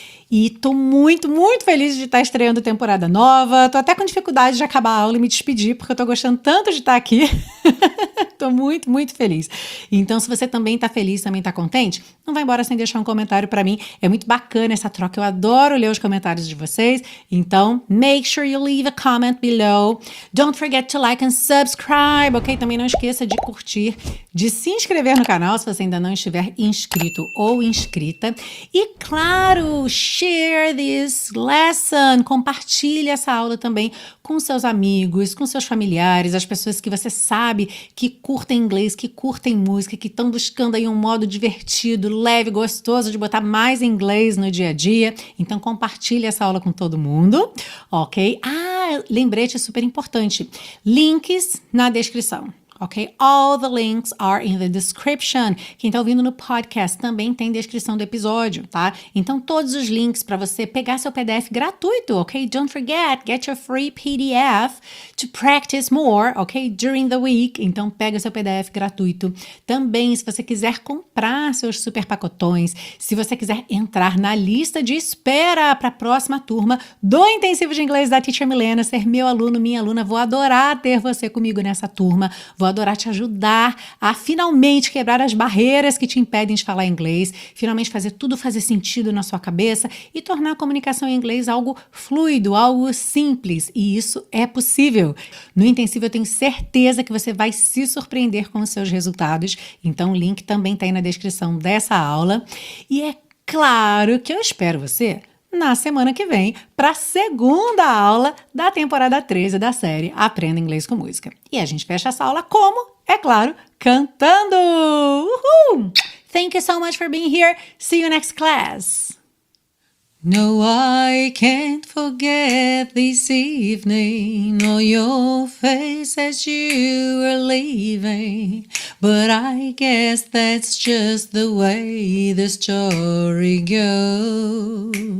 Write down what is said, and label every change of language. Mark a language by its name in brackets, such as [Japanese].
[Portuguese] E tô muito, muito feliz de estar estreando temporada nova. Tô até com dificuldade de acabar a aula e me despedir, porque eu tô gostando tanto de estar aqui. Tô muito, muito feliz. Então, se você também tá feliz, também tá contente, não vai embora sem deixar um comentário pra mim. É muito bacana essa troca. Eu adoro ler os comentários de vocês. [English] Então, make sure you leave a comment below. Don't forget to like and subscribe, ok? [Portuguese] Também não esqueça de curtir, de se inscrever no canal, se você ainda não estiver inscrito ou inscrita. E, claro, [English] share this lesson, [Portuguese] compartilhe essa aula também com seus amigos, com seus familiares, as pessoas que você sabe que curtem inglês, que curtem música, que estão buscando aí um modo divertido, leve, gostoso de botar mais inglês no dia a dia. Então compartilhe essa aula com todo mundo, ok? Ah, lembrete super importante, links na descrição. Ok? [English] All the links are in the description. [Portuguese] Quem está ouvindo no podcast também tem descrição do episódio, tá? Então, todos os links para você pegar seu PDF gratuito, ok? [English] Don't forget, get your free PDF to practice more, ok? During the week. [Portuguese] Então, pega seu PDF gratuito. Também, se você quiser comprar seus super pacotões, se você quiser entrar na lista de espera para a próxima turma do Intensivo de Inglês da Teacher Milena, ser meu aluno, minha aluna, vou adorar ter você comigo nessa turma. Vou adorar te ajudar a finalmente quebrar as barreiras que te impedem de falar inglês, finalmente fazer tudo fazer sentido na sua cabeça e tornar a comunicação em inglês algo fluido, algo simples. E isso é possível. No Intensivo eu tenho certeza que você vai se surpreender com os seus resultados. Então o link também está aí na descrição dessa aula. E é claro que eu espero você na semana que vem, para a segunda aula da temporada 13 da série Aprenda Inglês com Música. E a gente fecha essa aula como? É claro, cantando! Uhul! [English] Thank you so much for being here. See you next class. No, I can't forget this evening, or your face as you were leaving. But I guess that's just the way the story goes.